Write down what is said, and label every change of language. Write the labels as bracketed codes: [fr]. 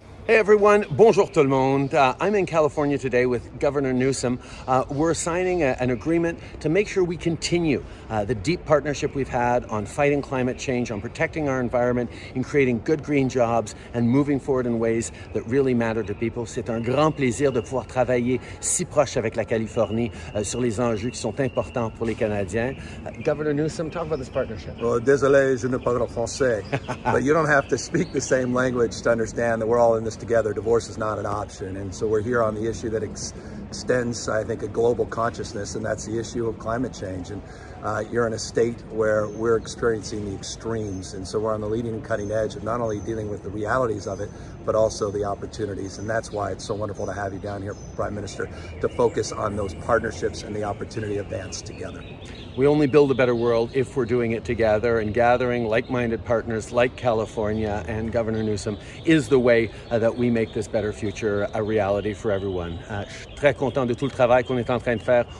[en] Hey, everyone. [fr] Bonjour, tout le monde. [en] I'm in California today with Governor Newsom. We're signing an agreement to make sure we continue the deep partnership we've had on fighting climate change, on protecting our environment, in creating good green jobs, and moving forward in ways that really matter to people. [fr] C'est un grand plaisir de pouvoir travailler si proche avec la Californie sur les enjeux qui sont importants pour les Canadiens. [en] Governor Newsom, talk about this partnership. Well, [fr] désolé, je ne parle français. [en] But you don't have to speak the same language to understand that we're all in this together. Divorce is not an option. And so we're here on the issue that extends, I think, a global consciousness, and that's the issue of climate change. And you're in a state where we're experiencing the extremes. And so we're on the leading and cutting edge of not only dealing with the realities of it, but also the opportunities. And that's why it's so wonderful to have you down here, Prime Minister, to focus on those partnerships and the opportunity to advance together. We only build a better world if we're doing it together, and gathering like-minded partners like California and Governor Newsom is the way that we make this better future a reality for everyone. [fr] Très content de tout le travail qu'on est en train de faire.